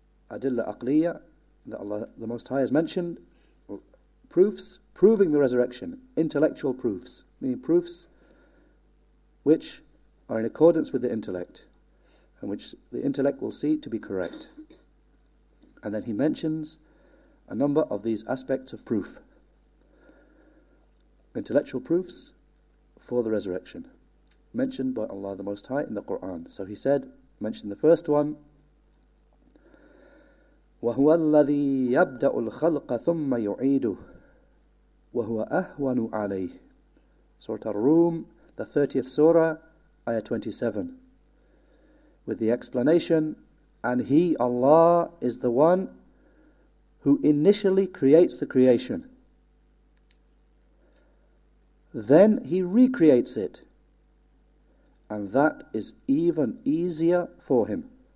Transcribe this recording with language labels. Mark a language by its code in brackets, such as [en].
[en] Adilla aqliya, that Allah the Most High has mentioned proofs proving the resurrection, intellectual proofs, meaning proofs which are in accordance with the intellect and which the intellect will see to be correct. And then he mentions a number of these aspects of proof, intellectual proofs for the resurrection, mentioned by Allah the Most High in the Quran. So he said, mentioned the first one. [ar] وَهُوَ الَّذِي يَبْدَأُ الْخَلْقَ ثُمَّ يُعِيدُهُ وَهُوَ أَهْوَنُ عَلَيْهِ [en] Surah Ar-Rum, the 30th surah, ayah 27. With the explanation, and He, Allah, is the one who initially creates the creation. Then He recreates it. And that is even easier for Him.